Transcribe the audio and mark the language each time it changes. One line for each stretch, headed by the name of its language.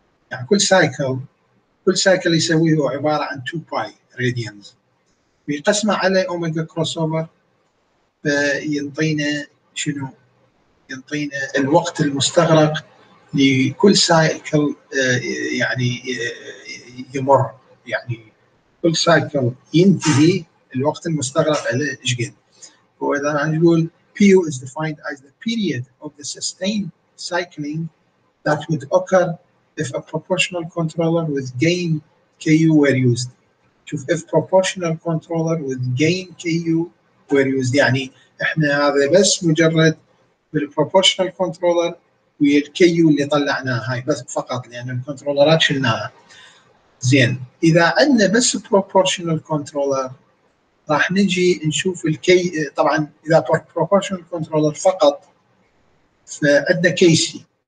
Arabic: يعني كل cycle يسويه هو عبارة عن 2 pi radians ويقسمه على omega crossover فينطينا شنو؟ ينطينا الوقت المستغرق لكل cycle يعني يمر. يعني كل cycle ينتهي الوقت المستغرق على إشقد. وإذا نقول
English: PU is defined as the period of the sustained cycling that would occur if a proportional controller with gain KU were used. If proportional controller with gain KU were used.
Arabic: يعني احنا هذا بس مجرد بالproportional controller ويا الKU اللي طلعناها هاي بس فقط لان الكنترولرات شلناها. زين اذا عندنا بس proportional controller راح نجي نشوف الكي. طبعا اذا proportional controller فقط فعندنا كيسي.